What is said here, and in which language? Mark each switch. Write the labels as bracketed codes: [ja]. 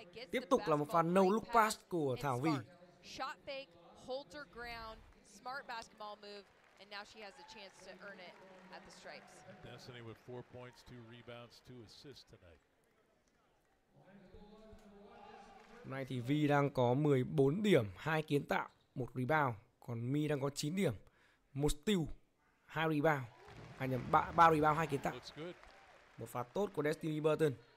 [vi] Tiếp tục là một pha no look pass của Thảo Vy. [en] Shot fake, hold her ground, smart basketball move. And now she has a chance to earn it at the stripes. Destiny with 4 points, 2 rebounds, 2 assists tonight. [vi] Hôm nay thì Vy đang có 14 điểm, 2 kiến tạo, 1 rebound. Còn My đang có 9 điểm, 1 steal, 2 rebound. À nhầm, 3 rebound, 2 kiến tạo. Một pha tốt của Destiny Burton.